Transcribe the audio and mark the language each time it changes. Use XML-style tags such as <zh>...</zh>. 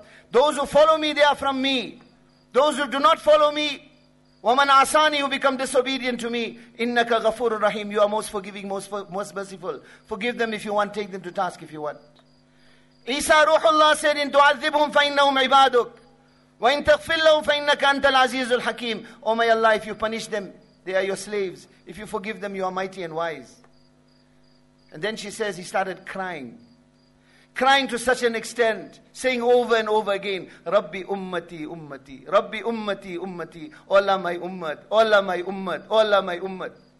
<en>Those who follow me, they are from me. Those who do not follow me,</en> <ar>وَمَنْ عَصَانِي,</ar> <en>who become disobedient to me,</en> <ar>إِنَّكَ غَفُورُ الرَّحِيمُ.</ar> <en>You are most forgiving, most merciful. Forgive them if you want, take them to task if you want. Isa Ruhullah said,</en> <ar>إِنْ تُعَذِّبْهُمْ فَإِنَّهُمْ عِبَادُكَ وَإِنْ تَغْفِرْ لَهُمْ فَإِنَّكَ أَنْتَ الْعَزِيزُ الْحَكِيمُ.</ar> <en>Oh my Allah, if you punish them, they are your slaves. If you forgive them, you are mighty and wise. And then she says, he started crying. Crying to such an extent, saying over and over again, Rabbi ummati, ummati, Rabbi ummati, ummati, Allah my ummat, Allah my ummat, Allah my ummat.</en>